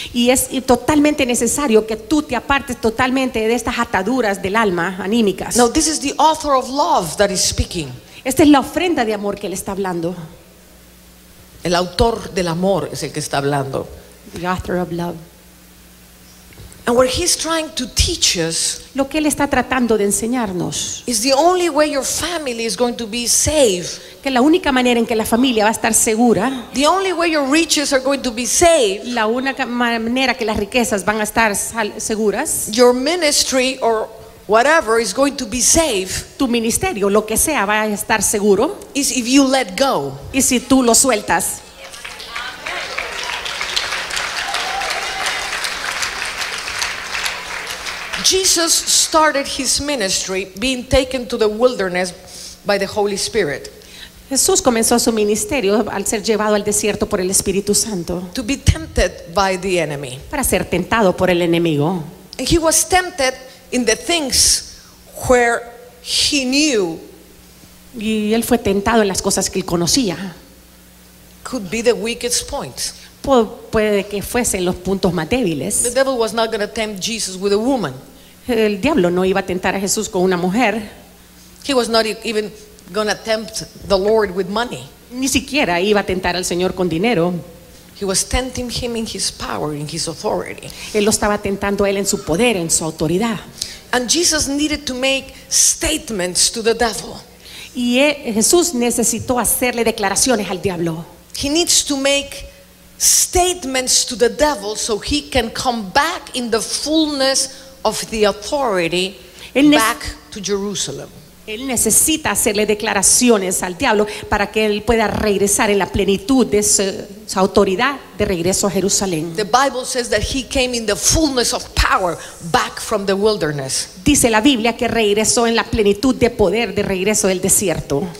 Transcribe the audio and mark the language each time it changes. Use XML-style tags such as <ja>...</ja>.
<es>Y es totalmente necesario que tú te apartes totalmente de estas ataduras del alma anímicas.</es> <en>Now, this is the author of love that is speaking.</en> <es>Esta es la ofrenda de amor que él está hablando. El autor del amor es el que está hablando.</es> <en>The author of love. And what he's trying to teach us,</en> <es>lo que él está tratando de enseñarnos,</es> <en>is the only way your family is going to be safe.</en> <es>Que la única manera en que la familia va a estar segura,</es> <en>the only way your riches are going to be safe,</en> <es>la única manera que las riquezas van a estar seguras,</es> <en>your ministry or whatever is going to be safe,</en> <es>tu ministerio, lo que sea, va a estar seguro,</es> <en>is if you let go.</en> <es>Y si tú lo sueltas.</es> <en>Jesus started his ministry being taken to the wilderness by the Holy Spirit.</en> <es>Jesús comenzó su ministerio al ser llevado al desierto por el Espíritu Santo.</es> <en>To be tempted by the enemy.</en> <es>Para ser tentado por el enemigo.</es> <en>And he was tempted in the things where he knew.</en> <es>Y él fue tentado en las cosas que él conocía.</es> <en>Could be the weakest point.</en> <es>Puede que fuesen los puntos más débiles.</es> <en>The devil was not going to tempt Jesus with a woman.</en> <es>El diablo no iba a tentar a Jesús con una mujer.</es> <en>He was not even going to tempt the Lord with money.</en> <es>Ni siquiera iba a tentar al Señor con dinero.</es> <en>He was tempting him in his power, in his authority.</en> <es>Él lo estaba tentando a él en su poder, en su autoridad.</es> <en>And Jesus needed to make statements to the devil.</en> <es>Y Jesús necesitó hacerle declaraciones al diablo.</es> <en>He needs to make statements to the devil so he can come back in the fullness of the authority back to Jerusalem.</en> <es>Él necesita hacerle declaraciones al diablo para que él pueda regresar en la plenitud de su autoridad de regreso a Jerusalén.</es> <en>The Bible says that he came in the fullness of power back from the wilderness.</en> <es>Dice la Biblia que regresó en la plenitud de poder de regreso del desierto.</es>